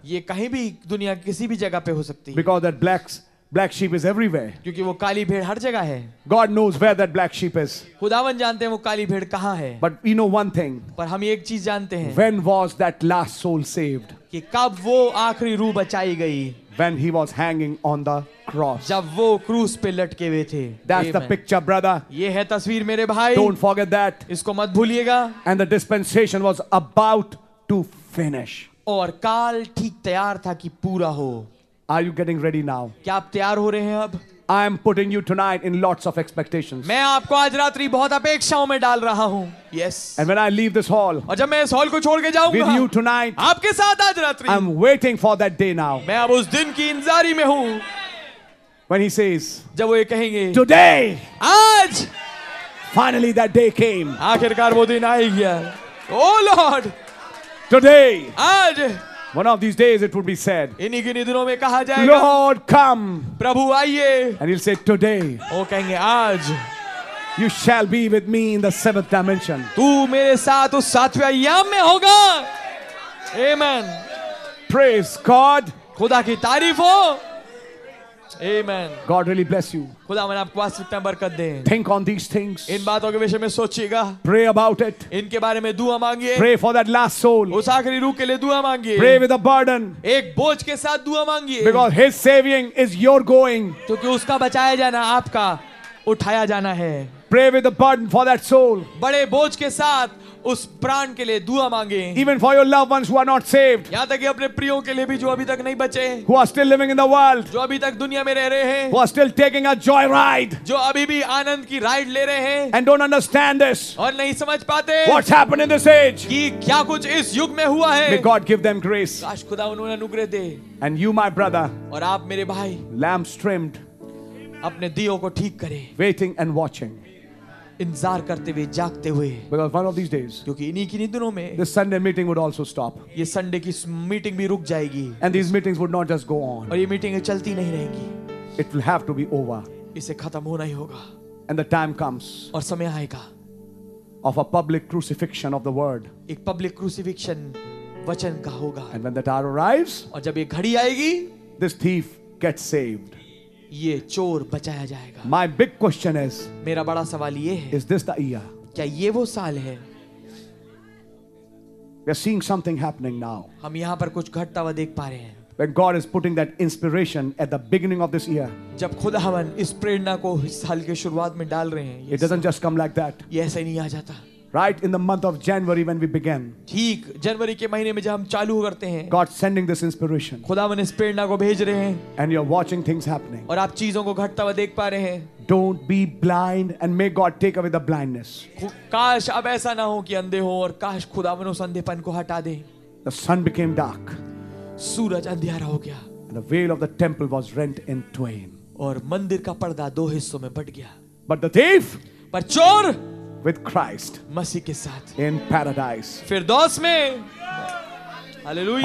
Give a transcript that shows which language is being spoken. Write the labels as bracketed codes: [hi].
[hi] ये कहीं भी दुनिया किसी भी जगह पे हो सकती है. [en] Because that black sheep is everywhere. [hi] क्योंकि वो काली भेड़ हर जगह है. [en] God knows where that black sheep is. [hi] खुदावन जानते हैं वो काली भेड़ कहाँ है. [en] But we know one thing. [hi] पर हम एक चीज जानते हैं. [en] When was that last soul saved? [hi] कि कब वो आखिरी रूह बचाई गई. [en] When he was hanging on the cross. [hi] जब वो क्रूस पे लटके हुए थे. [en] That's the picture, brother. [hi] ये है तस्वीर मेरे भाई. [en] Don't forget that. [hi] इसको मत भूलिएगा. [en] And the dispensation was about to finish. [hi] और काल ठीक तैयार था कि पूरा हो. [en] Are you getting ready now? [hi] क्या आप तैयार हो रहे हैं अब? [en] I am putting you tonight in lots of expectations. [hi] मैं आपको आज रात्रि बहुत अपेक्षाओं में डाल रहा हूँ. [en] Yes. And when I leave this hall, [hi] और जब मैं इस हॉल को छोड़के जाऊँगा, [en] with you tonight, [hi] आपके साथ आज रात्रि, [en] I am waiting for that day now. [hi] मैं अब उस दिन की इंतजारी में हूँ. [en] When he says, [hi] जब वो ये कहेंगे, [en] today, [hi] आज, [en] finally that day came. [hi] आखिरकार वो दिन आ गया. [en] Oh Lord, today, [hi] आज. [en] One of these days it would be said, [hi] इन्हीं दिनों में कहा जाएगा, [en] Lord come, [hi] प्रभु आइए, [en] and he'll say today, [hi] वो कहेंगे आज, [en] you shall be with me in the seventh dimension, [hi] तू मेरे साथ उस सातवें आयाम में होगा, amen, [en] praise God, [hi] खुदा की तारीफ हो, amen, [en] God really bless you, [hi] खुदा मैंने आपको आशीष में बरकत दे, [en] think on these things, [hi] इन बातों के विषय में सोचिएगा, [en] pray about it, [hi] इनके बारे में दुआ मांगिए, [en] pray for that last soul, [hi] उस आखिरी रूह के लिए दुआ मांगिए, [en] pray with a burden, [hi] एक बोझ के साथ दुआ मांगिए, [en] because his saving is your going, [hi] क्योंकि उसका बचाया जाना आपका उठाया जाना है, [en] pray with a burden for that soul, [hi] बड़े बोझ के साथ उस प्राण के लिए दुआ मांगे. [en] Even for your loved ones who are not saved. [hi] यहाँ तक कि अपने प्रियों के लिए भी जो अभी तक नहीं बचे. [en] Who are still living in the world. [hi] जो अभी तक दुनिया में रह रहे हैं. [en] Who are still taking a joy ride. [hi] जो अभी भी आनंद की राइड ले रहे हैं. [en] And don't understand this. [hi] और नहीं समझ पाते. [en] What's happened in this age. [hi] कि क्या कुछ इस युग में हुआ है. [en] May God give them grace. [hi] काश खुदा उन्हें अनुग्रह दे. [en] And you, my brother. [hi] और आप मेरे भाई. [en] Lamps trimmed. [hi] अपने दियों को ठीक करें. [en] Waiting and watching. [hi] इंतजार करते हुए जागते हुए. [en] Because one of these days, [hi] क्योंकि इन्हीं की दिनों में, [en] this Sunday meeting would also stop. [hi] ये संडे की मीटिंग भी रुक जाएगी. [en] And these meetings would not just go on. [hi] और ये मीटिंग चलती नहीं रहेगी. [en] It will have to be over. [hi] इसे खत्म होना ही होगा. [en] And the time comes. [hi] और समय आएगा. [en] Of a public crucifixion of the word. [hi] एक पब्लिक क्रूसिफिक्शन वचन का होगा. [en] And when that hour arrives, [hi] और जब ये घड़ी आएगी, [en] this thief gets saved. [hi] ये चोर बचाया जाएगा. [en] My big question is, [hi] मेरा बड़ा सवाल ये है, [en] is this the year? [hi] क्या ये वो साल है? [en] We are seeing something happening now. [hi] हम यहाँ पर कुछ घटता हुआ देख पा रहे हैं. [en] When God is putting that inspiration at the beginning of this year. [hi] जब खुदावन इस प्रेरणा को इस साल के शुरुआत में डाल रहे हैं. [en] It doesn't just come like that. [hi] ये ऐसे नहीं आ जाता. [en] Right in the month of January when we began. [hi] ठीक जनवरी के महीने में जब हम चालू करते हैं. [en] God sending this inspiration. [hi] खुदावन इस प्रेरणा को भेज रहे हैं. [en] And you're watching things happening. [hi] और आप चीजों को घटता हुआ देख पा रहे हैं. [en] Don't be blind and may God take away the blindness. [hi] काश अब ऐसा ना हो कि अंधे हो और काश खुदावन उस अंधेपन को हटा दे. [en] The sun became dark. [hi] सूरज अंधेरा हो गया. [en] And the veil of the temple was rent in twain. [hi] और मंदिर का पर्दा दो हिस्सों में बट गया. [en] But the thief. [hi] पर चोर. [en] With Christ, [hi] मसीह के साथ, [en] in paradise, [hi] फिरदौस में, hallelujah,